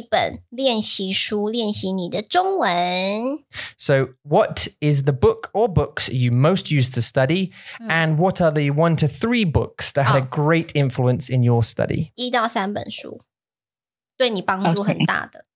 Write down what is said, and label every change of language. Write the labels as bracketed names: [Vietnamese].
[Chinese] 请问你最常使用哪一本练习书练习你的中文? [English] So what is the book or books you most use to study? And what are the 1 to 3 books that had a great influence in your study? [Chinese] 1到3本书,对你帮助很大的。